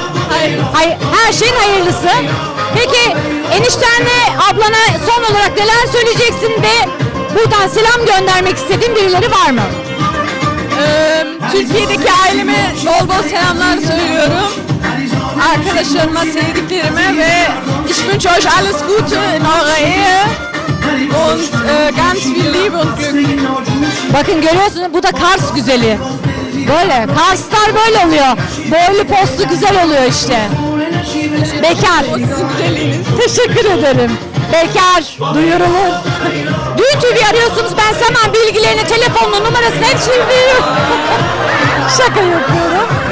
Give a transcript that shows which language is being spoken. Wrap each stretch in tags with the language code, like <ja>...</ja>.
<tr>Hayırlısı. Her şeyin hayırlısı. Peki eniştenle ablana son olarak neler söyleyeceksin ve buradan selam göndermek istediğin birileri var mı? Türkiye'deki aileme bol bol selamlar söylüyorum. Arkadaşlarıma, sevdiklerime ve</tr> <de>ich wünsche euch alles Gute in eurer Ehe und ganz viel Liebe und Glück.</de> <tr>Bakın görüyorsunuz, bu da Kars güzeli. Böyle Karslar böyle oluyor. Boylu postlu güzel oluyor işte. Bekar. Teşekkür ederim. Bekar duyurulur. Düğün TV arıyorsunuz, ben hemen bilgilerini, telefonunu, numarasını hepsini veriyorum. Şaka yapıyorum.</tr>